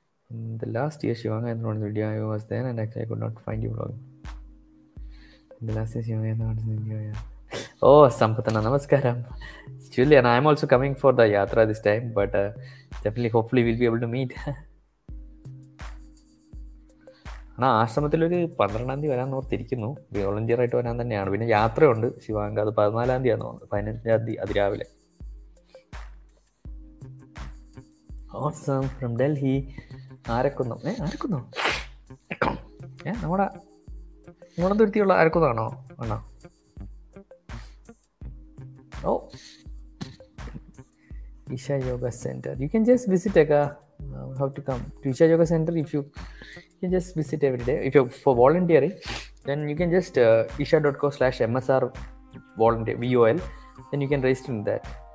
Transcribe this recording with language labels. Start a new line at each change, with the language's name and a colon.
English: In the last year, Shivanga and Ron's video, I was there, and actually I could not find you vlogging. The last year, Shivanga and Ron's video, yeah. Oh, Sampatana, Namaskaram. Julian, I'm also coming for the Yatra this time, but definitely, hopefully, we'll be able to meet.
Malayalam: ആ ആശ്രമത്തിൽ ഒരു 12-ാം തീയതി വരാൻ ഓർത്തിരിക്കുന്നു. Volunteer ആയിട്ട് വരാൻ തന്നെയാണ്. പിന്നെ യാത്രയുണ്ട് ശിവാങ്ക. അത് 14-ാം തീയതി ആണ് തോന്നുന്നത്. 15-ാം തീയതി അതിരാവിലെ.
English: Awesome from Delhi. Arakkunnam.
Malayalam: Arakkunnam നമ്മുടെ ഗുണതുരുത്തിയുള്ള ആരക്കുന്നാണോ?
English: അണ്ണാ ഓ Isha Yoga center, you can just visit അക്ക. How to come to Isha Yoga Center? If you can just visit every day, if you're for volunteering, then you can just isha.co/msr-vol, then you can register in that.